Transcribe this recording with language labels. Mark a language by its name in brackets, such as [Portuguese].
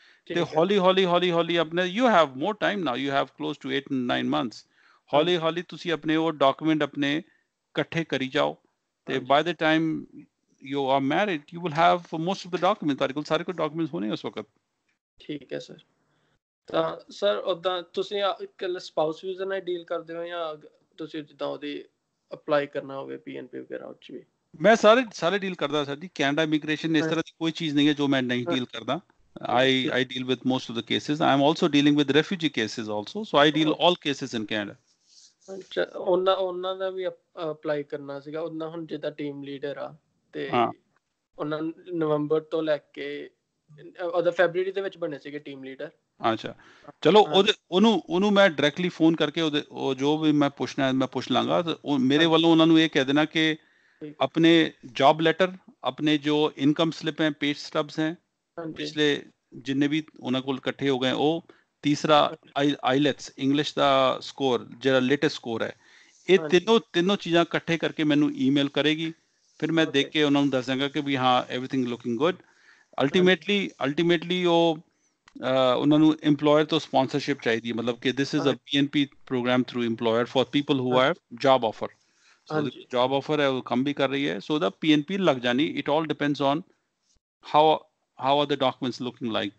[Punjabi] ਤੇ ਹੌਲੀ ਹੌਲੀ ਹੌਲੀ ਹੌਲੀ ਆਪਣੇ, [English] you have more time now, you have close to 8-9 months, [Punjabi] ਹੌਲੀ ਹੌਲੀ ਤੁਸੀਂ ਆਪਣੇ ਉਹ ਡਾਕੂਮੈਂਟ ਆਪਣੇ ਇਕੱਠੇ ਕਰੀ ਜਾਓ, ਤੇ [English] by the time you are married you will have most of the document, [Punjabi] ਤੁਹਾਡੇ ਕੋਲ ਸਾਰੇ ਕੋਲ ਡਾਕੂਮੈਂਟ ਹੋਣੇ ਉਸ ਵਕਤ। ਠੀਕ ਹੈ ਸਰ, ਤਾਂ ਸਰ ਉਦਾਂ ਤੁਸੀਂ ਇਕੱਲੇ ਸਪਾਊਸ ਵੀਜ਼ਾ ਨਾਲ ਡੀਲ ਕਰਦੇ ਹੋ ਜਾਂ ਤੁਸੀਂ ਜਿੱਦਾਂ ਉਹਦੀ ਅਪਲਾਈ ਕਰਨਾ ਹੋਵੇ ਪੀਐਨਪੀ ਵਗੈਰਾ ਉੱਚ ਵੀ? ਮੈਂ ਸਾਰੇ ਡੀਲ ਕਰਦਾ ਸਰ ਜੀ, ਕੈਨੇਡਾ ਇਮੀਗ੍ਰੇਸ਼ਨ ਇਸ ਤਰ੍ਹਾਂ ਦੀ ਕੋਈ ਚੀਜ਼ ਨਹੀਂ ਹੈ ਜੋ ਮੈਂ ਨਹੀਂ ਡੀਲ ਕਰਦਾ। [English] I deal with most of the cases. I am also dealing with refugee cases also. So I deal all cases in Canada. [Punjabi] ਉਹਨਾਂ ਦਾ ਵੀ ਅਪਲਾਈ ਕਰਨਾ ਸੀਗਾ, ਉਹਨਾਂ ਹੁਣ ਜਿੱਦਾਂ ਟੀਮ ਲੀਡਰ ਆ ਤੇ ਉਹਨਾਂ ਨਵੰਬਰ ਤੋਂ ਲੈ ਕੇ ਉਹਦਾ ਫੈਬਰੀ ਦੇ ਵਿੱਚ ਬਣੇ ਸੀਗੇ ਟੀਮ ਲੀਡਰ। ਅੱਛਾ, ਚਲੋ ਉਹਦੇ ਉਹਨੂੰ ਮੈਂ ਡਾਇਰੈਕਟਲੀ ਫੋਨ ਕਰਕੇ ਉਹਦੇ ਉਹ ਜੋ ਵੀ ਮੈਂ ਪੁੱਛਣਾ ਮੈਂ ਪੁੱਛ ਲਾਂਗਾ। ਮੇਰੇ ਵੱਲੋਂ ਉਹਨਾਂ ਨੂੰ ਇਹ ਕਹਿ ਦੇਣਾ ਕਿ ਆਪਣੇ ਜੋਬ ਲੈਟਰ, ਆਪਣੇ ਜੋ ਇਨਕਮ ਸਲਿਪ ਹੈ, ਪੇ ਸਟਬਸ ਹੈ, ਪਿਛਲੇ ਜਿੰਨੇ ਵੀ ਉਹਨਾਂ ਕੋਲ ਇਕੱਠੇ ਹੋ ਗਏ, ਉਹ ਤੀਸਰਾ ਆਈਲੈਟਸ ਇੰਗਲਿਸ਼ ਦਾ ਸਕੋਰ ਜਿਹੜਾ ਲੇਟੈਸਟ ਸਕੋਰ ਹੈ, ਇਹ ਤਿੰਨੋ ਚੀਜ਼ਾਂ ਇਕੱਠੇ ਕਰਕੇ ਮੈਨੂੰ ਈਮੇਲ ਕਰੇਗੀ, ਫਿਰ ਮੈਂ ਦੇਖ ਕੇ ਉਹਨਾਂ ਨੂੰ ਦੱਸ ਦਿਆਂਗਾ ਕਿ ਵੀ ਹਾਂ [English] Everything looking good. [Punjabi] ਅਲਟੀਮੇਟਲੀ ਉਹ ਉਹਨਾਂ ਨੂੰ ਇੰਪਲੋਇਰ ਤੋਂ ਸਪੋਂਸਰਸ਼ਿਪ ਚਾਹੀਦੀ, ਮਤਲਬ ਕਿ [English] This is a PNP program through employer for people who have job offer. [Punjabi] So job offer ਹੈ, ਉਹ ਕੰਮ ਵੀ ਕਰ ਰਹੀ ਹੈ, ਸੋ ਦਾ ਪੀਐਨਪੀ ਲੱਗ ਜਾਣੀ। [English] It all depends on how are the documents looking like?